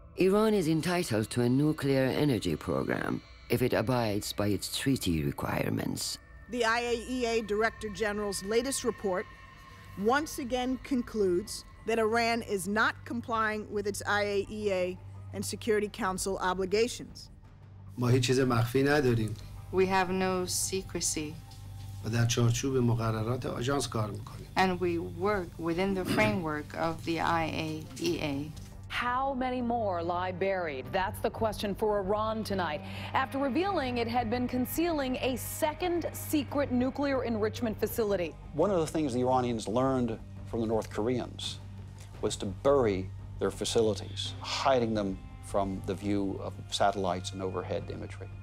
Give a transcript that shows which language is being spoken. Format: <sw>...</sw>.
<en>Iran is entitled to a nuclear energy program if it abides by its treaty requirements. The IAEA Director General's latest report once again concludes that Iran is not complying with its IAEA and Security Council obligations.</en> <fa>ما هیچ چیز مخفی نداریم.</fa> <en>We have no secrecy.</en> <fa>و در چارچوب مقررات آژانس کار میکنیم.</fa> <en>And we work within the framework of the IAEA. How many more lie buried? That's the question for Iran tonight. After revealing it had been concealing a second secret nuclear enrichment facility. One of the things the Iranians learned from the North Koreans was to bury their facilities, hiding them from the view of satellites and overhead imagery.</en>